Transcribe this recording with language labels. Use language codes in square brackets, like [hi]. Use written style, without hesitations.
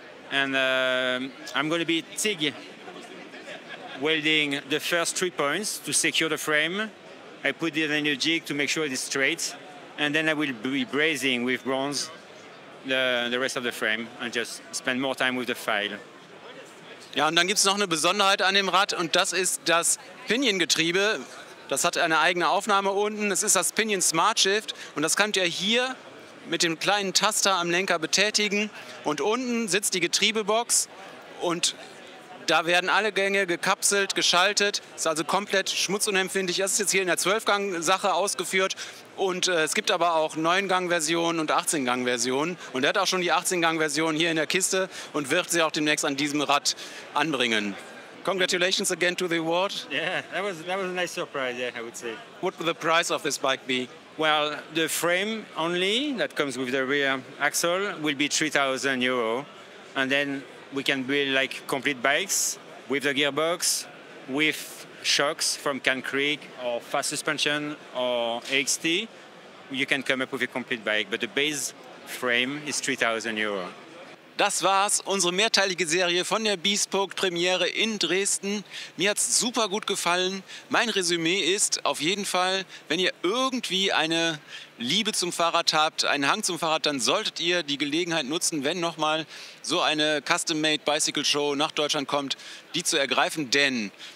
[en] And I'm going to be TIG welding the first 3 points to secure the frame. I put it in a jig to make sure it is straight. And then I will be brazing with bronze the rest of the frame and just spend more time with the file. [de] Ja, und dann gibt es noch eine Besonderheit an dem Rad, und das ist das Pinion-Getriebe. Das hat eine eigene Aufnahme unten. Das ist das Pinion Smart Shift, und das könnt ihr hier mit dem kleinen Taster am Lenker betätigen. Und unten sitzt die Getriebebox, und da werden alle Gänge gekapselt, geschaltet. Ist also komplett schmutzunempfindlich. Das ist jetzt hier in der 12-Gang-Sache ausgeführt. Und es gibt aber auch 9-Gang-Versionen und 18-Gang-Versionen. Und er hat auch schon die 18-Gang-Version hier in der Kiste und wird sie auch demnächst an diesem Rad anbringen. [en] Congratulations again to the award. Yeah, that was a nice surprise, yeah, I would say. What would the price of this bike be? Well, the frame only, that comes with the rear axle, will be 3,000 euro. And then we can build like complete bikes with the gearbox, with shocks from Can Creek or Fast Suspension or AXT, you can come up with a complete bike, but the base frame is 3,000 euro. [de] Das war's, unsere mehrteilige Serie von der Bespoke-Premiere in Dresden. Mir hat's super gut gefallen. Mein Resümee ist auf jeden Fall, wenn ihr irgendwie eine Liebe zum Fahrrad habt, einen Hang zum Fahrrad, dann solltet ihr die Gelegenheit nutzen, wenn nochmal so eine Custom-Made-Bicycle-Show nach Deutschland kommt, die zu ergreifen, denn